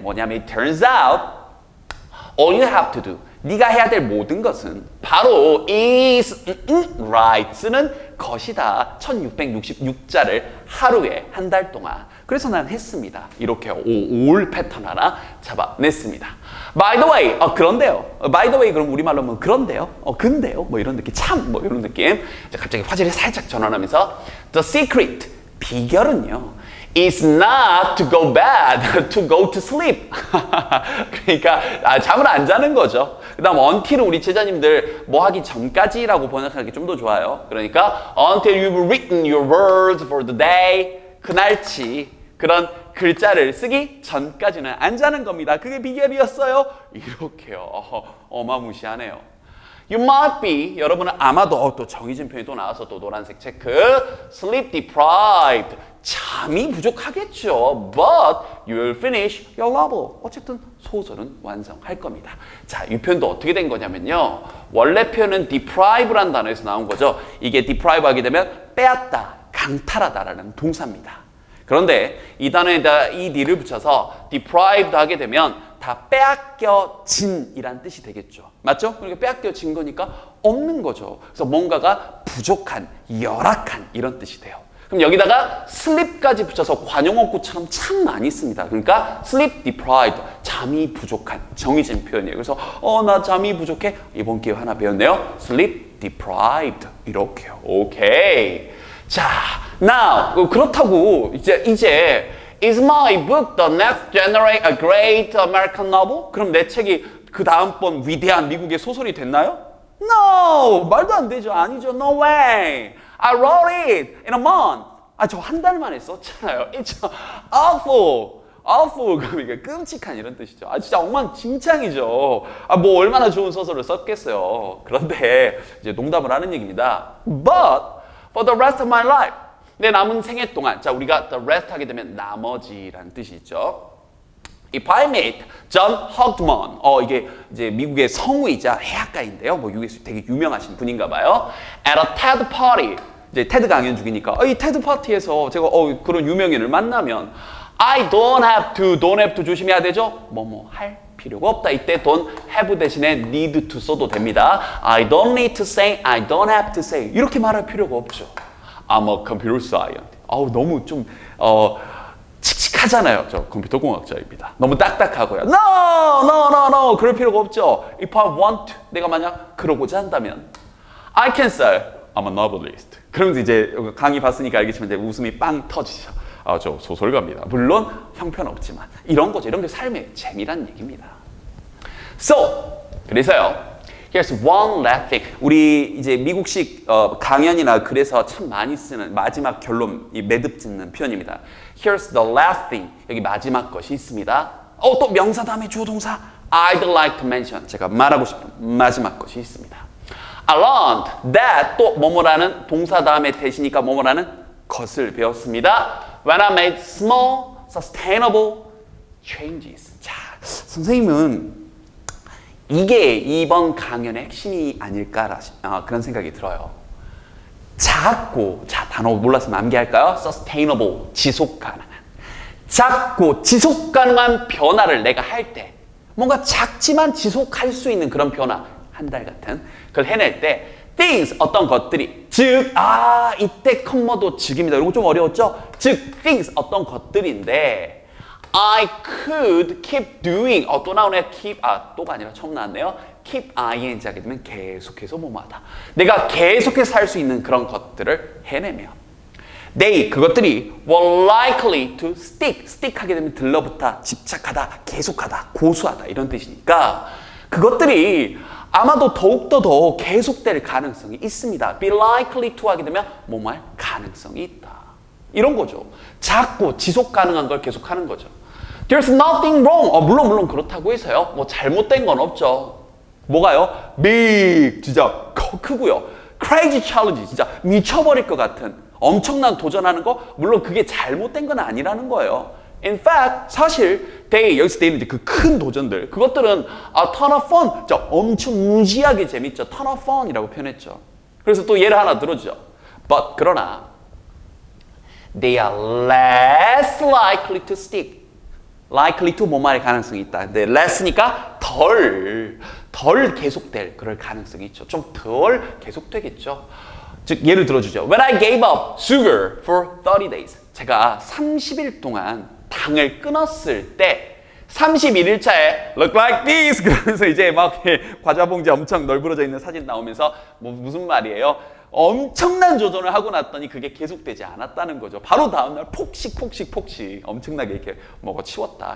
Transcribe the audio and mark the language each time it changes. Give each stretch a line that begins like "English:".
Korean: 뭐냐면
English: it turns out all you have to do,
Korean: 네가 해야 될 모든 것은 바로
English: is right
Korean: 는 것이다. 1666자를 하루에 한 달 동안. 그래서 난 했습니다. 이렇게 올 패턴 하나 잡아냈습니다.
English: By the way,
Korean: 그런데요.
English: By the way,
Korean: 그럼 우리말로 하면 그런데요. 근데요. 뭐 이런 느낌, 참, 뭐 이런 느낌. 갑자기 화질을 살짝 전환하면서
English: the secret,
Korean: 비결은요.
English: It's not to go bad, to go to sleep.
Korean: 그러니까 잠을 안 자는 거죠. 그 다음 until은 우리 제자님들 뭐 하기 전까지라고 번역하기 좀 더 좋아요. 그러니까
English: until you've written your words for the day,
Korean: 그날치 그런 글자를 쓰기 전까지는 안 자는 겁니다. 그게 비결이었어요. 이렇게요. 어마무시하네요.
English: You might be,
Korean: 여러분은 아마도 또 정의진 표현이 또 나와서 또 노란색 체크,
English: sleep deprived.
Korean: 잠이 부족하겠죠.
English: But you'll finish your novel.
Korean: 어쨌든 소설은 완성할 겁니다. 자, 이 표현도 어떻게 된 거냐면요. 원래 표현은 deprive라는 단어에서 나온 거죠. 이게 deprive 하게 되면 빼앗다, 강탈하다라는 동사입니다. 그런데 이 단어에다 ed를 붙여서 deprived 하게 되면 다 빼앗겨진이란 뜻이 되겠죠. 맞죠? 그러니까 빼앗겨진 거니까 없는 거죠. 그래서 뭔가가 부족한, 열악한 이런 뜻이 돼요. 그럼 여기다가 sleep까지 붙여서 관용어구처럼 참 많이 씁니다. 그러니까
English: sleep deprived,
Korean: 잠이 부족한, 정의진 표현이에요. 그래서 나 잠이 부족해? 이번 기회 하나 배웠네요.
English: sleep deprived,
Korean: 이렇게요. 오케이.
English: 자, now,
Korean: 그렇다고 이제
English: is my book the next generation a great American novel?
Korean: 그럼 내 책이 그 다음번 위대한 미국의 소설이 됐나요? No, 말도 안 되죠. 아니죠.
English: No way. I wrote it in a month.
Korean: 아, 저 한 달만에 썼잖아요.
English: It's awful.
Korean: 그러니까 끔찍한 이런 뜻이죠. 아, 진짜 엉망진창이죠. 아, 뭐 얼마나 좋은 소설을 썼겠어요. 그런데 이제 농담을 하는 얘기입니다.
English: But for the rest of my life,
Korean: 내 남은 생애 동안, 자 우리가 the rest 하게 되면 나머지라는 뜻이죠.
English: If I meet John Hodgman,
Korean: 이게 이제 미국의 성우이자 해학가인데요. 뭐 유명 되게 유명하신 분인가봐요.
English: At a TED party,
Korean: 이제 TED 강연 중이니까 이 TED 파티에서 제가 그런 유명인을 만나면
English: I don't have to
Korean: 조심해야 되죠. 뭐뭐 할 필요가 없다. 이때 don't have 대신에 need to 써도 됩니다.
English: I don't need to say, I don't have to say
Korean: 이렇게 말할 필요가 없죠.
English: I'm a computer scientist.
Korean: 너무 좀 칙칙하잖아요. 저 컴퓨터 공학자입니다. 너무 딱딱하고요. No. 그럴 필요가 없죠.
English: If I want to,
Korean: 내가 만약 그러고자 한다면
English: I can say I'm a novelist.
Korean: 그러면서 이제 강의 봤으니까 알겠지만 이제 웃음이 빵 터지죠. 저 소설가입니다. 물론 형편없지만 이런 거죠. 이런 게 삶의 재미란 얘기입니다.
English: So,
Korean: 그래서요.
English: Here's one last thing.
Korean: 우리 이제 미국식 강연이나 글에서 참 많이 쓰는 마지막 결론, 이 매듭 짓는 표현입니다.
English: Here's the last thing.
Korean: 여기 마지막 것이 있습니다. 또 명사 다음에 주어 동사.
English: I'd like to mention.
Korean: 제가 말하고 싶은 마지막 것이 있습니다.
English: I learned that
Korean: 또 뭐뭐라는 동사 다음에 대시니까 뭐뭐라는 것을 배웠습니다.
English: When I made small sustainable changes.
Korean: 자, 선생님은 이게 이번 강연의 핵심이 아닐까라 그런 생각이 들어요. 작고, 자 단어 몰라서 암기할까요? Sustainable, 지속가능한. 작고 지속가능한 변화를 내가 할 때 뭔가 작지만 지속할 수 있는 그런 변화 한 달 같은 그걸 해낼 때 things, 어떤 것들이 즉, 이때 컴머도 즉입니다. 이거 좀 어려웠죠?
English: 즉, things,
Korean: 어떤 것들인데
English: I could keep doing.
Korean: 또 나오네. keep. 또가 아니라 처음 나왔네요. keep ing 하게 되면 계속해서 뭐뭐하다. 내가 계속해서 할 수 있는 그런 것들을 해내면
English: they
Korean: 그것들이
English: were likely to stick.
Korean: stick 하게 되면 들러붙다, 집착하다, 계속하다, 고수하다 이런 뜻이니까 그것들이 아마도 더욱더 더 계속될 가능성이 있습니다.
English: be likely to
Korean: 하게 되면 뭐뭐할 가능성이 있다. 이런 거죠. 자꾸 지속 가능한 걸 계속하는 거죠.
English: There's nothing wrong.
Korean: 물론 그렇다고 해서요. 뭐 잘못된 건 없죠. 뭐가요? big 진짜 크고요.
English: crazy challenge
Korean: 진짜 미쳐버릴 것 같은 엄청난 도전하는 거 물론 그게 잘못된 건 아니라는 거예요.
English: In fact,
Korean: 사실 they 여기서 they는 그 큰 도전들 그것들은
English: a ton of fun
Korean: 진짜 엄청 무지하게 재밌죠.
English: ton of fun
Korean: 이라고 표현했죠. 그래서 또 예를 하나 들어주죠.
English: But
Korean: 그러나
English: they are less likely to stick. likely to
Korean: 뭐 말할 가능성이 있다. 근데 less니까 덜 계속될 그럴 가능성이 있죠. 좀 덜 계속되겠죠. 즉 예를 들어주죠.
English: When I gave up sugar for 30 days.
Korean: 제가 30일 동안 당을 끊었을 때 31일 차에
English: look like this
Korean: 그러면서 이제 막 과자 봉지 엄청 널브러져 있는 사진 나오면서 뭐 무슨 말이에요? 엄청난 조절을 하고 났더니 그게 계속되지 않았다는 거죠. 바로 다음날 폭식 엄청나게 이렇게 먹어 치웠다.